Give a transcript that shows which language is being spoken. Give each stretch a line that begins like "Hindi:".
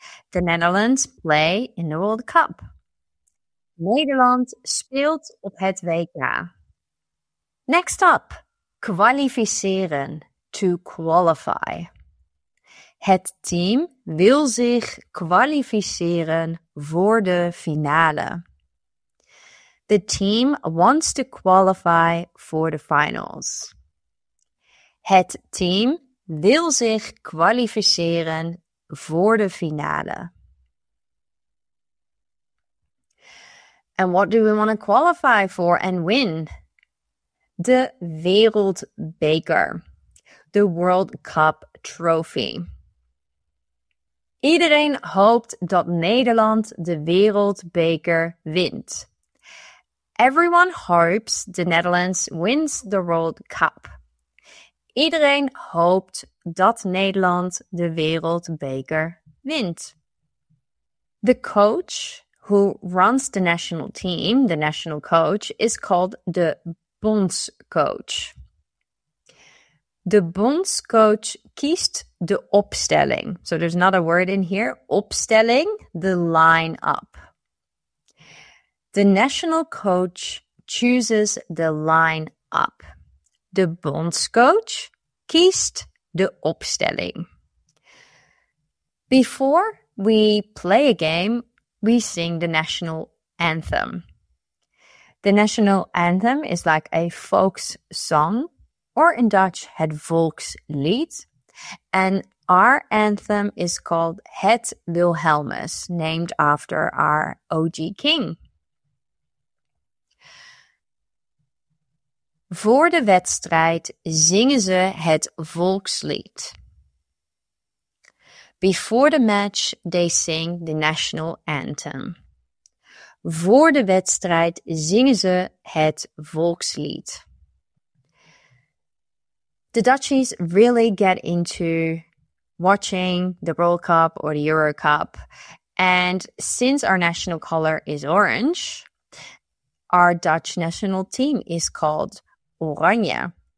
English: The Netherlands play in the World Cup.
Dutch: Nederland speelt op het WK.
English: Next up, kwalificeren, to qualify.
Dutch: Het team wil zich kwalificeren voor de finale.
English: The team wants to qualify for the finals.
Dutch: Het team wil zich kwalificeren voor de finale.
English: And what do we want to qualify for and win?
Dutch: De Wereldbeker.
English: The World Cup trophy.
Dutch: Iedereen hoopt dat Nederland de Wereldbeker wint.
English: Everyone hopes the Netherlands wins the World Cup.
Dutch: Iedereen hoopt dat Nederland de Wereldbeker wint.
English: The coach who runs the national team, the national coach, is called the bondscoach.
Dutch: The bondscoach kiest de opstelling.
English: So there's another word in here, opstelling, the line-up. The national coach chooses the line-up.
Dutch: De bondscoach kiest de opstelling.
English: Before we play a game, we sing the national anthem. The national anthem is like a folks song, or in Dutch, het volkslied. And our anthem is called Het Wilhelmus, named after our OG king.
Dutch: Voor de wedstrijd zingen ze het volkslied.
English: Before the match, they sing the national anthem.
Dutch: Voor de wedstrijd zingen ze het volkslied.
English: The Dutchies really get into watching the World Cup or the Euro Cup. And since our national color is orange, our Dutch national team is called Oranje.